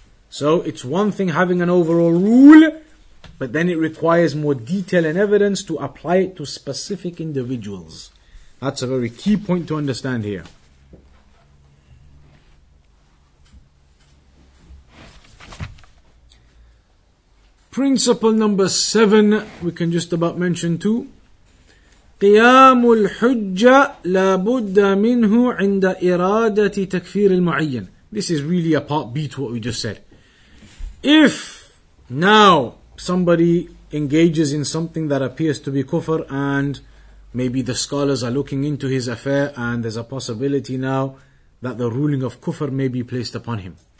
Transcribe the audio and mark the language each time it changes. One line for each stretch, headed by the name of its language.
English: So it's one thing having an overall rule, but then it requires more detail and evidence to apply it to specific individuals. That's a very key point to understand here. Principle number 7, we can just about mention too.
Arabic: قيام الحجة لابد منه عند إرادة تكفير المعين.
English: This is really a part B to what we just said. If now somebody engages in something that appears to be kufr and maybe the scholars are looking into his affair and there's a possibility now that the ruling of kufr may be placed upon him.